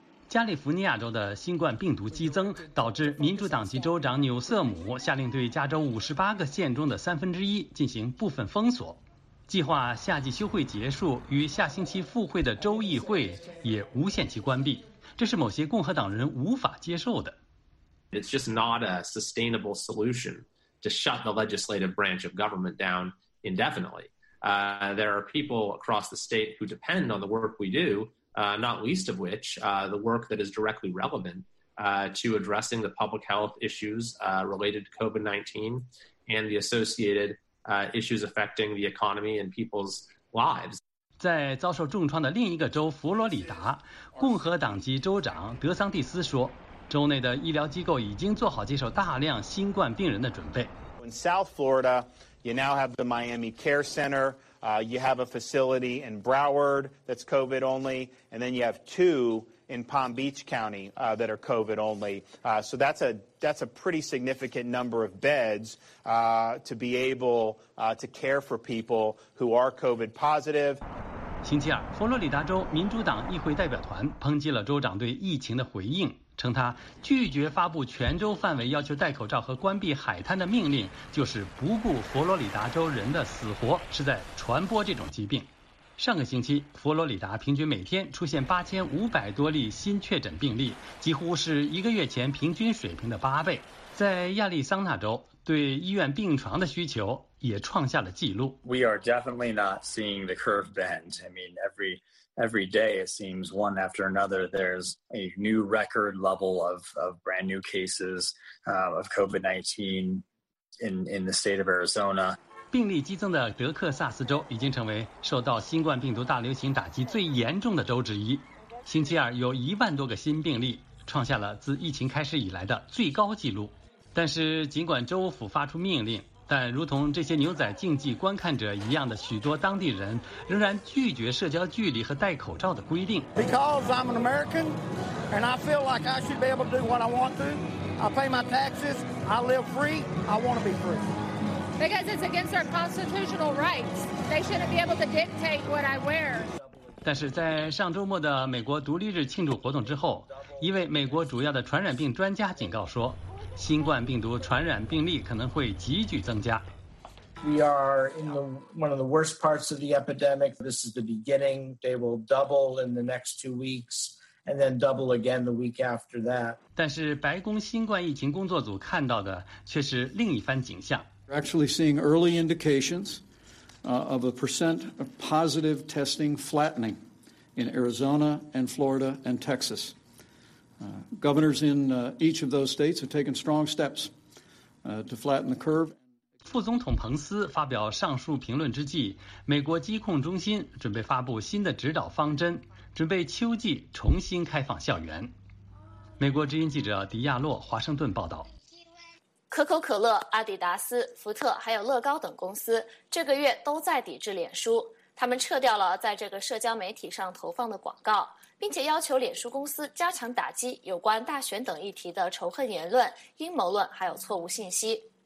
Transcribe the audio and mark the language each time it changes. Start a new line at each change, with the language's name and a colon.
Chinese: 加利福尼亚州的新冠病毒激增，导致民主党籍州长纽瑟姆下令对加州58个县中的1/3进行部分封锁。计划夏季休会结束与下星期复会的州议会也无限期关闭。这是某些共和党人无法接受的。
English: It's just not a sustainable solution to shut the legislative branch of government down indefinitely. There are people across the state who depend on the work we do, not least of which, the work that is directly relevant, to addressing the public health issues, related to COVID-19 and the associated, issues affecting the economy and people's lives.
Chinese: 在遭受重创的另一个州佛罗里达，共和党籍州长德桑蒂斯说，州内的医疗机构已经做好接受大量新冠病人的准备。
English: In South Florida, you now have the Miami Care Center. You have a facility in Broward that's COVID only, and then you have two in Palm Beach County, that are COVID only. So that's a pretty significant number of beds, to be able, to care for people who are COVID positive.
Chinese: 星期二，佛罗里达州民主党议会代表团抨击了州长对疫情的回应，称他拒绝发布全州范围要求戴口罩和关闭海滩的命令，就是不顾佛罗里达州人的死活，是在传播这种疾病。上个星期，佛罗里达平均每天出现8500多例新确诊病例，几乎是一个月前平均水平的8倍。在亚利桑那州，对医院病床的需求也创下了记录。
English: We are definitely not seeing the curve bend. I mean, every day it seems one after another, there's a new record level of brand new cases, of COVID-19 in the state of Arizona.
Chinese: 病例激增的德克萨斯州已经成为受到新冠病毒大流行打击最严重的州之一。星期二有10000多个新病例，创下了自疫情开始以来的最高记录。但是尽管州府发出命令，但如同这些牛仔竞技观看者一样的许多当地人仍然拒绝社交距离和戴口罩的规定。
English: Because I'm an American and I feel like I should be able to do what I want to. I pay my taxes. I live free. I want to be free. Because it's against our constitutional rights. They shouldn't be able to dictate what I wear.
Chinese: 但是在上周末的美国独立日庆祝活动之后，一位美国主要的传染病专家警告说，新冠病毒传染病例可能会急剧增加。
English: We are in one of the worst parts of the epidemic. This is the beginning. They will double in the next 2 weeks, and then double again the week after that.
Chinese: 但是白宫新冠疫情工作组看到的却是另一番景象。
English: We're actually seeing early indications of a percent of positive testing flattening in Arizona and Florida and Texas. Governors in each of those states have taken strong steps to flatten the curve.
Chinese: 副总统彭斯发表上述评论之际，美国疾控中心准备发布新的指导方针，准备秋季重新开放校园。美国之音记者迪亚洛华盛顿报道。可口可乐、阿迪达斯、福特还有乐高等公司这个月都在抵制脸书，他们撤掉了在这个社交媒体上投放的广告，并且要求脸书公司加强打击有关大选等议题的仇恨言论、阴谋论还有错误信息。